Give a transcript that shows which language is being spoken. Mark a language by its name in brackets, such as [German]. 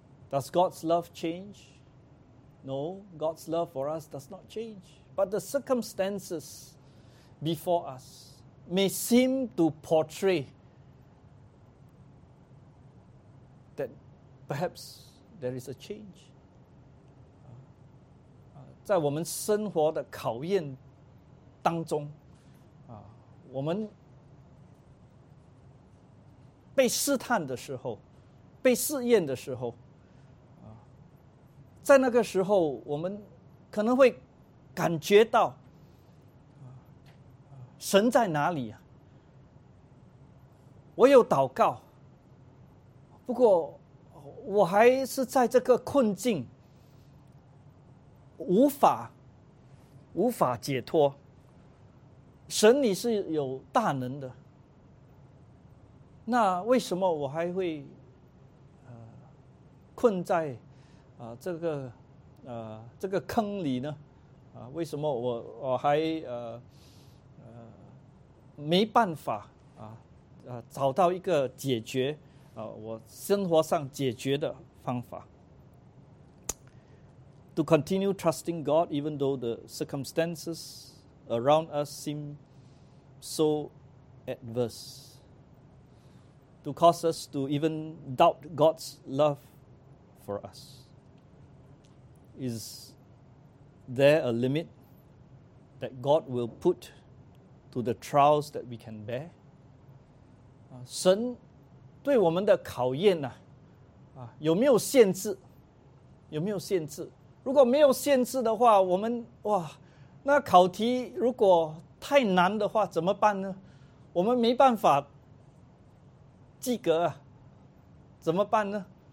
[English] Does God's love change? No, God's love for us does not change. But the circumstances before us may seem to portray that perhaps there is a change. [Chinese] 在我们生活的考验当中我们被试探的时候，被试验的时候在那个时候，我们可能会感觉到神在哪里我有祷告，不过我还是在这个困境无法解脱。神你是有大能的，那为什么我还会困在这个坑里呢？为什么我还没办法找到一个解决我生活上解决的方法。 [English] To continue trusting God even though the circumstances around us seem so adverse. To cause us to even doubt God's love for us. Is there a limit that God will put to the trials that we can bear? [Chinese] 神对我们的考验啊，有没有限制？有没有限制？如果没有限制的话，我们哇，那考题如果太难的话怎么办呢？我们没办法及格啊，怎么办呢？